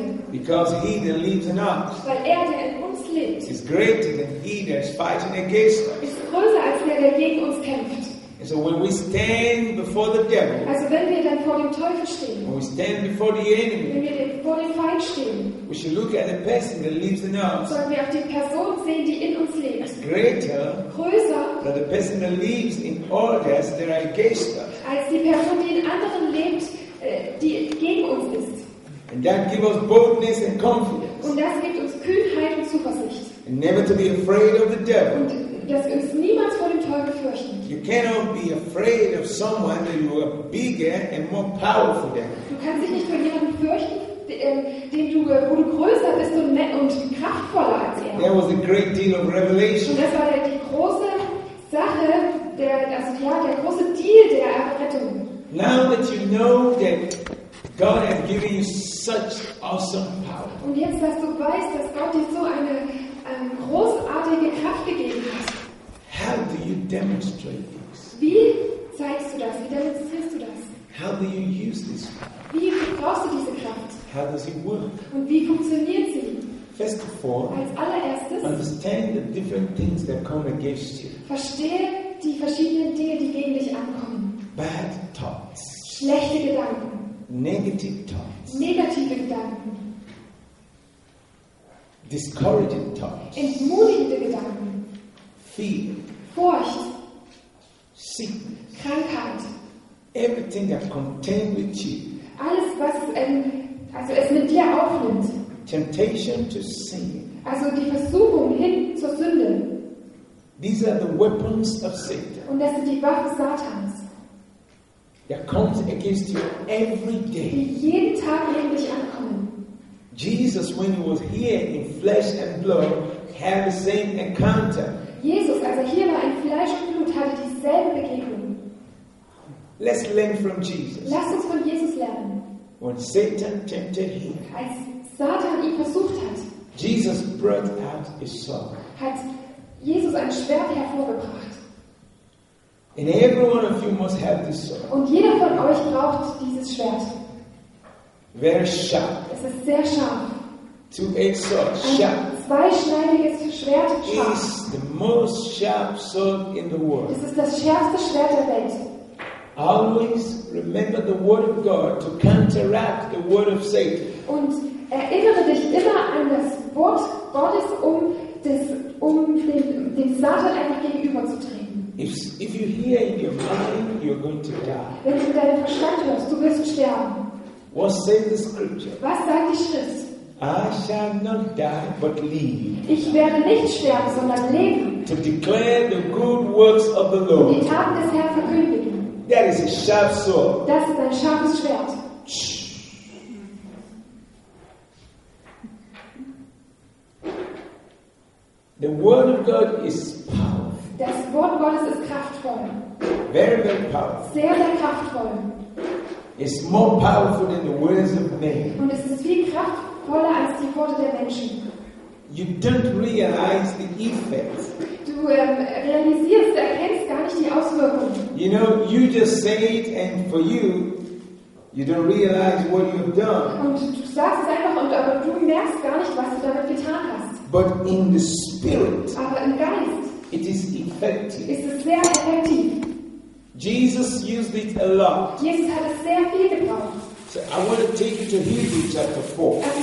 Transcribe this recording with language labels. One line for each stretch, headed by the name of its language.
English: Because he that lives in us,
German: weil er, der in uns lebt,
English: is greater than he that is fighting against us.
German: Ist größer als der, der gegen uns kämpft.
English: And so when we stand before the devil,
German: also wenn wir dann vor dem Teufel stehen,
English: when we stand before the enemy,
German: wenn wir vor dem Feind stehen,
English: we should look at the person that lives in us,
German: sollen wir auf die Person sehen, die in uns lebt,
English: is greater,
German: größer,
English: than the person that lives in others that are against us.
German: Als die Person, die in anderen lebt, die gegen uns ist.
English: And that gives us boldness and confidence.
German: Und das gibt uns Kühnheit und Zuversicht.
English: And never to be afraid of the devil.
German: Und dass wir uns niemals vor dem Teufel fürchten.
English: You cannot be afraid of someone that you are bigger and more powerful than.
German: Du kannst dich nicht vor jemandem fürchten, den du, wo du größer bist und kraftvoller als er.
English: There was a great deal of revelation.
German: Und das war die große Sache, der große Deal der Errettung.
English: Now that you know that God has given you such awesome power.
German: Und jetzt, dass du weißt, dass Gott dir so eine großartige Kraft gegeben hat.
English: How do you demonstrate this?
German: Wie zeigst du das? Wie demonstrierst du das?
English: How do you use this power?
German: Wie brauchst du diese Kraft?
English: How does it work?
German: Und wie funktioniert sie?
English: First of all,
German: als allererstes,
English: understand the different things that come against you.
German: Verstehe die verschiedenen Dinge, die gegen dich ankommen.
English: Bad thoughts.
German: Schlechte Gedanken.
English: Negative thoughts.
German: Negative Gedanken.
English: Discouraging thoughts.
German: Entmutigende Gedanken.
English: Fear.
German: Furcht.
English: Sickness.
German: Krankheit.
English: Everything that contains with you.
German: Alles, was also es mit dir aufnimmt.
English: Temptation to sin.
German: Also die Versuchung hin zur Sünde.
English: These are the weapons of Satan.
German: Und das sind die Waffen Satans.
English: That comes against you every day.
German: Die jeden Tag gegen dich ankommen.
English: Jesus, when he was here in flesh and blood, had the same encounter.
German: Jesus, als er hier war in Fleisch und Blut, hatte dieselbe Begegnung.
English: Let's learn from Jesus.
German: Lass uns von Jesus lernen.
English: When Satan tempted him,
German: als Satan ihn versucht hat,
English: Jesus brought out his sword.
German: Hat Jesus ein Schwert hervorgebracht.
English: And every one of you must have this sword.
German: Und jeder von euch braucht dieses Schwert.
English: Very sharp.
German: Es ist sehr scharf.
English: Two-edged sword, sharp.
German: Ein zweischneidiges Schwert, scharf.
English: Is the most sharp sword in the world.
German: Es ist das schärfste Schwert der Welt.
English: Always remember the word of God to counteract the word of Satan.
German: Und erinnere dich immer an das Wort Gottes, um dem Satan einfach gegenüberzutreten.
English: If you hear in your mind, you're going to die.
German: Wenn du deinen Verstand hörst, du wirst sterben.
English: What says the scripture?
German: Was sagt die Schrift?
English: I shall not die, but live.
German: Ich werde nicht sterben, sondern leben.
English: To declare the good works of the Lord.
German: Die Taten des Herrn verkündigen.
English: That is a sharp sword.
German: Das ist ein scharfes Schwert.
English: The word of God is powerful.
German: Das Wort Gottes ist kraftvoll.
English: Very, very powerful.
German: Sehr, sehr kraftvoll.
English: It's more powerful than the words of men.
German: Und es ist viel kraftvoller als die Worte der Menschen.
English: You don't realize the effect.
German: Du realisierst, erkennst gar nicht die Auswirkungen.
English: You know, you just say it, and for you, you don't realize what you've done.
German: Und du sagst es einfach, aber du merkst gar nicht, was du damit getan hast.
English: But in the spirit,
German: aber im Geist,
English: it is effective.
German: Ist es sehr effektiv.
English: Jesus used it a lot.
German: Jesus hat es sehr viel gebraucht.
English: So I want to take you to Hebrews chapter 4.